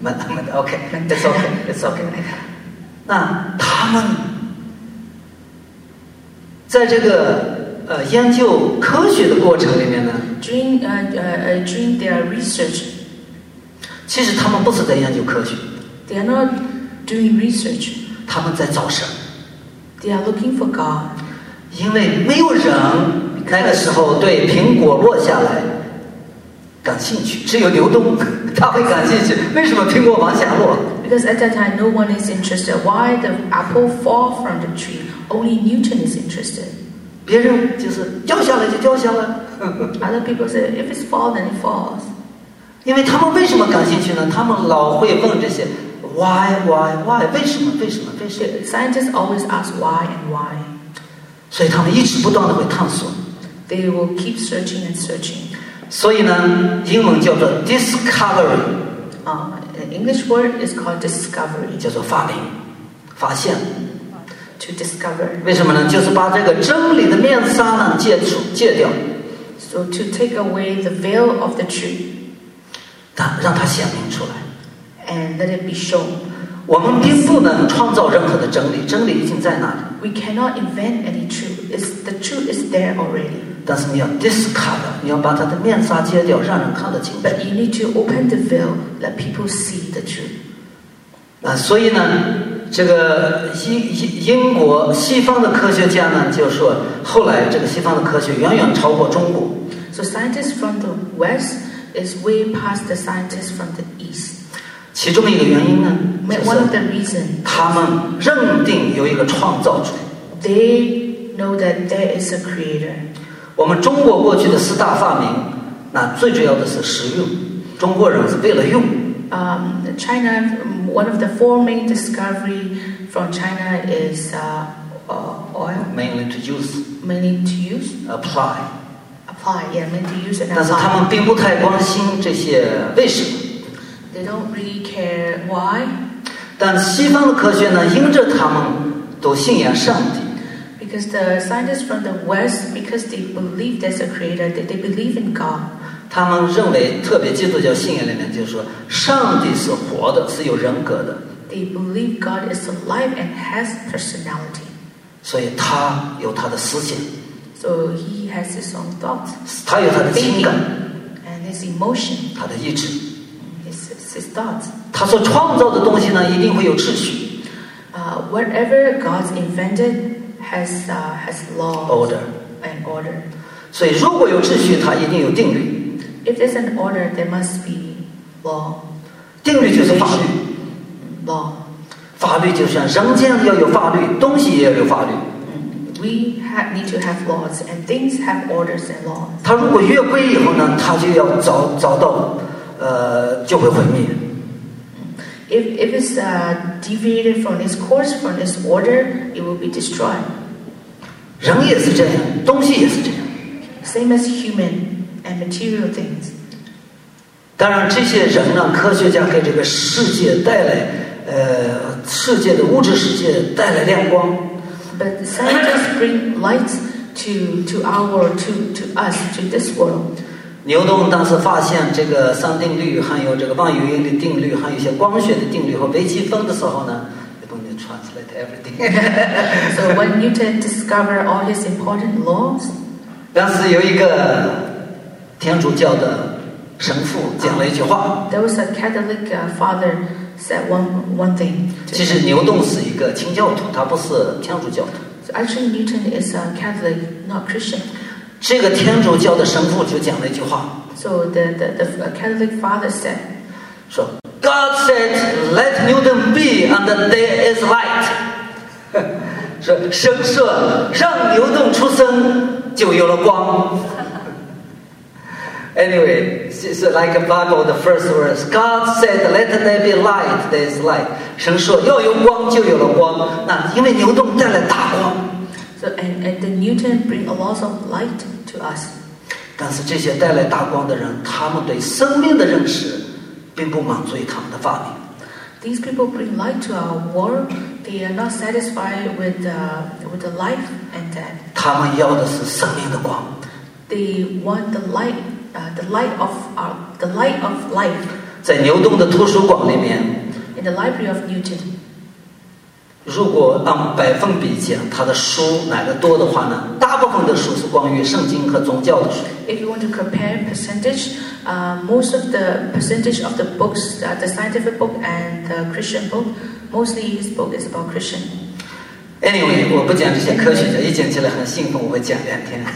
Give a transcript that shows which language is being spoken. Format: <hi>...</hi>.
<en>Okay, that's okay.</en> <zh>那他们在这个研究科学的过程里面呢</zh> <en>？During their research.</en> <zh>其实他们不是在研究科学。</zh> <en>They are not doing research.</en> <zh>他们在找神。</zh> <en>They are looking for God.</en> <zh>因为没有人。那个时候对苹果落下来感兴趣，只有牛顿他会感兴趣。为什么苹果往下落</zh> <en>？Because at that time no one is interested. Why the apple fall from the tree? Only Newton is interested.</en> <zh>别人就是掉下来就掉下来。</zh> <en>Other people say if it's fall then it falls.</en> <zh>因为他们为什么感兴趣呢？他们老会问这些 why 为什么</zh> <en>？Scientists always ask why and why.</en> <zh>所以他们一直不断的会探索。</zh> <en>They will keep searching and searching.</en> <zh>所以呢，英文叫做 discovery.</zh> <en>The English word is called discovery.</en> <zh>叫做发明，发现。</zh> <en>To discover.</en> <zh>为什么呢？就是把这个真理的面纱呢，揭掉。</zh> <en>So to take away the veil of the truth.</en> <zh>让它显明出来。</zh> <en>And let it be shown.</en> <zh>我们并不能创造任何的真理，真理已经在那里。</zh> <en>We cannot invent any truth. The truth is there already.</en> <zh>但是你要 discover， 你要把它的面纱揭掉，让人看得清白。</zh> <en>You need to open the veil, let people see the truth.</en> <zh>那所以呢？这个英国西方的科学家呢，就说后来这个西方的科学远远超过中国。</zh> <en>So scientists from the West is way past the scientists from the East.</en> <zh>其中一个原因呢，就是</zh> <en>one of the reason</en> <zh>他们认定有一个创造主。</zh> <en>They know that there is a creator. 我们中国过去的四大发明，那最主要的是实用，中国人是为了用。 China, one of the four main discoveries from China is oil. Mainly to use. Mainly to use. Apply. Apply, yeah, mainly to use and apply.</en> <zh>但是他们并不太关心这些为什么。</zh> <en>They don't really care why.</en> <zh>但西方的科学呢，因着他们都信仰上帝。</zh> <en>Because the scientists from the West, because they believe there's a creator, they believe in God.</en> <zh>他们认为，特别基督教信仰里面就是说，上帝是活的，是有人格的。</zh> <en>They believe God is alive and has personality.</en> <zh>所以他有他的思想。</zh> <en>So he has his own thoughts.</en> <zh>他有他的情感。</zh> <en>And his emotion.</en> <zh>他的意志。</zh> <en>His thoughts.</en> <zh>他所创造的东西呢，一定会有秩序。</zh> <en>Whatever God invented has law. Order. And order.</en> <zh>所以如果有秩序，他一定有定律。</zh> <en>If there's an order, there must be law.</en> <zh>定律就是法律。</zh> <en>Law.</en> <zh>法律就像人间要有法律，东西也要有法律。</zh> <en>We need to have laws, and things have orders and laws.</en> <zh>它如果越轨以后呢，它就要找到，就会毁灭。</zh> <en>If it's deviated from its course, from its order, it will be destroyed.</en> <zh>人也是这样，东西也是这样。</zh> <en>Same as human. And material things.</en> <zh>当然，这些人让科学家给这个世界带来，世界的物质世界带来亮光。</zh> <en>But scientists bring light to our world, to us, to this world.</en> <zh>牛顿当时发现这个三定律，还有这个万有引力定律，还有一些光学的定律和微积分的时候呢，就帮你</zh> <en>translate everything. So when Newton discovered all his important laws,</en> <zh>当时有一个。天主教的神父讲了一句话。</zh> <en>There was a Catholic father said one thing.</en> <zh>其实牛顿是一个清教徒，他不是天主教徒。</zh> <en>So actually, Newton is a Catholic, not Christian.</en> <zh>这个天主教的神父就讲了一句话。</zh> <en>So the Catholic father said,</en> <zh>说</zh> <en>God said, "Let Newton be, and there is light."</en> <zh>说神说让牛顿出生就有了光。</zh> <en>Anyway, it's like a Bible, the first verse. God said, "Let there be light." There is light.</en> <zh>神说要有光就有了光。那因为牛顿带来大光。</zh> <en>So and the Newton bring a lot of light to us.</en> <zh>但是这些带来大光的人，他们对生命的认识，并不满足于他们的发明。</zh> <en>These people bring light to our world. They are not satisfied with the life and death.</en> <zh>他们要的是生命的光。</zh> <en>They want the light. The light of life.</en> <zh>在牛顿的图书馆里面。</zh> <en>In the library of Newton.</en> <zh>如果按百分比讲，他的书哪个多的话呢？大部分的书是关于圣经和宗教的书。</zh> <en>If you want to compare percentage, most of the percentage of the books, the scientific book and the Christian book, mostly his book is about Christian.</en> <zh>Anyway, 我不讲这些科学家，一讲起来很兴奋，我会讲两天。</zh>